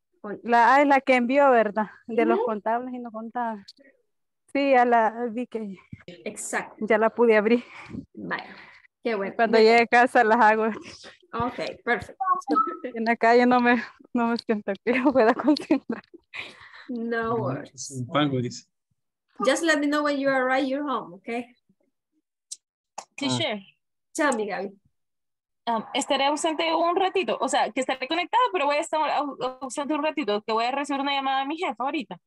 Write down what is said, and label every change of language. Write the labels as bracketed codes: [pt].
[es] Es la que envió, ¿verdad? De los contables y no contables. Sí, ya la vi que... Exacto. Ya la pude abrir. Vaya, qué bueno. Cuando llegue a casa, las hago. Ok, perfecto. En la calle no me siento que yo pueda concentrar. [en] No worries. [es] Un pango, dice. [en] Just let me know when you arrive your home, okay? Teacher. Tell me, Gaby. [es] Estaré ausente un ratito, o sea, que estaré conectada, pero voy a estar ausente un ratito, que voy a recibir una llamada de mi jefa ahorita.